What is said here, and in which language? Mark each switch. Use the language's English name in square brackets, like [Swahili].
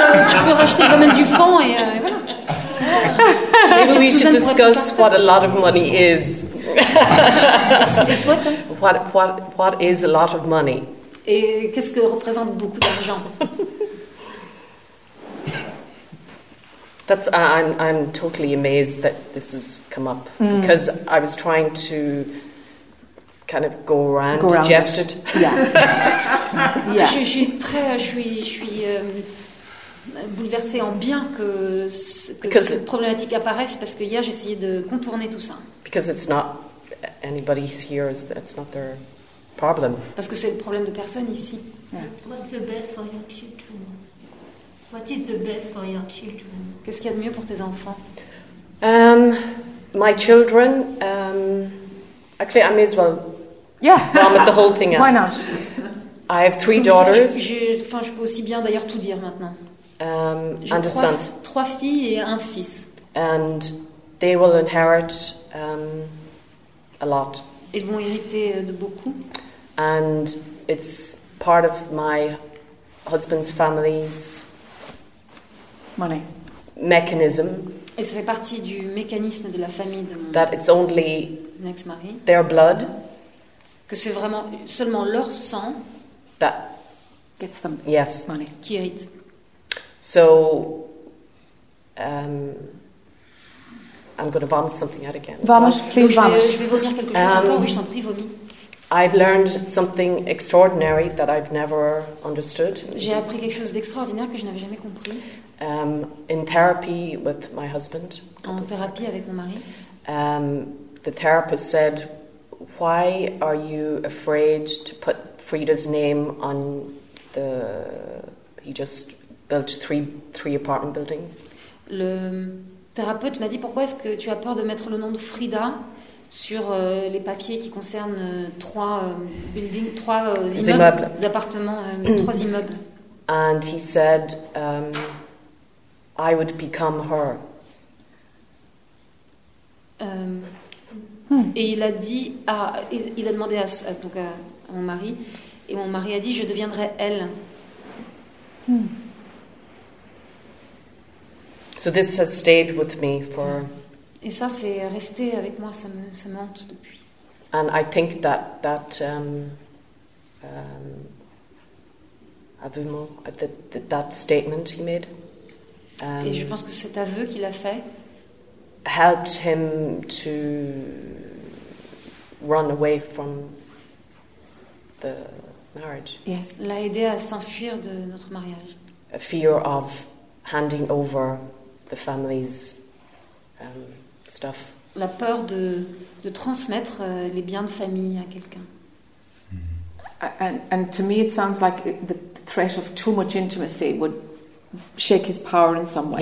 [French] Tu peux racheter quand même du foin et voilà. [English] Maybe we should discuss what a lot of money is. It's what? What is a lot of money? [French] Et qu'est-ce que représente beaucoup d'argent? [English] That's I'm totally amazed that this has come up because I was trying to kind of go around it. Yeah. Yeah. [French] Je suis bouleversée en bien que cette problématique apparaisse parce que hier j'essayais de contourner tout ça. [English] Because it's not anybody here is that's not their problem. [French] Parce que c'est le problème de personne ici. [English] Yeah. What's the best for your children? What is the best for your children? [French] Qu'est-ce qu'il y a de mieux pour tes enfants? [English] My children. Actually, I may as well. Yeah. Vomit the whole thing out. Why not? I have three daughters. [French] Je peux aussi bien d'ailleurs tout dire maintenant. J'ai trois filles et un fils. [English] And they will inherit a lot. [French] Ils vont hériter de beaucoup. [English] And it's part of my husband's family's money mechanism. [French] Et ça fait partie du mécanisme de la famille de mon. [English] That it's only [French] ex-mari. [English] Their blood. [French] Que c'est vraiment seulement leur sang. [English] That gets them. Yes. Money. [French] Qui hérite. [English] So, I'm going to vomit something out again. Vomit, please vomit. [French] Je vais vomir quelque chose encore, oui, je t'en prie, vomis. [English] I've learned something extraordinary that I've never understood. [French] J'ai appris quelque chose d'extraordinaire que je n'avais jamais compris. [English] In therapy with my husband. [French] En thérapie avec mon mari. [English] The therapist said, why are you afraid to put Frida's name on the... He just... built three apartment buildings. [French] Le thérapeute m'a dit pourquoi est-ce que tu as peur de mettre le nom de Frida sur les papiers qui concernent trois immeubles. [English] And he said I would become her. [French] Et il a demandé à mon mari et mon mari a dit je deviendrai elle. [English] So this has stayed with me for. [French] Et ça c'est resté avec moi, ça me hante depuis. [English] And I think that statement he made. [French] Et je pense que cet aveu qu'il a fait. [English] Helped him to run away from the marriage. [French] Yes, l'a aidé à s'enfuir de notre mariage. [English] A fear of handing over. The family's stuff. [French] La peur de transmettre les biens de famille à quelqu'un. [English] And to me, it sounds like the threat of too much intimacy would shake his power in some way.